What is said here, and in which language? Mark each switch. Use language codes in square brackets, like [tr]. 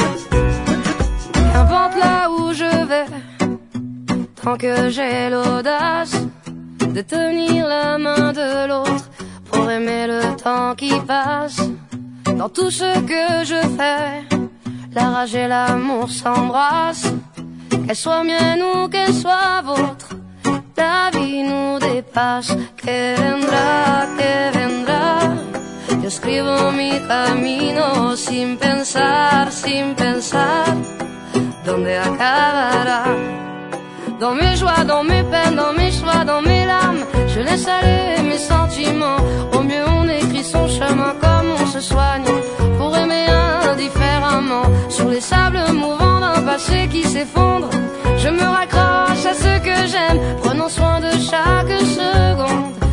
[fr] Qu'importe là où je vais, tant que j'ai l'audace de tenir la main de l'autre pour aimer le temps qui passe. Dans tout ce que je fais, la rage et l'amour s'embrassent. Qu'elle soit mienne ou qu'elle soit vôtre, la vie nous dépasse. [es] Que vendrá, que vendrá. Yo escribo mi camino sin pensar, sin pensar. ¿Dónde acabará? [fr] Dans mes joies, dans mes peines, dans mes choix, dans mes larmes, je laisse aller mes sentiments. Au mieux on écrit son chemin comme on se soigne pour aimer indifféremment. Sous les sables mouvants d'un passé qui s'effondre, je me raccroche à ce que j'aime, prenant soin de chaque seconde.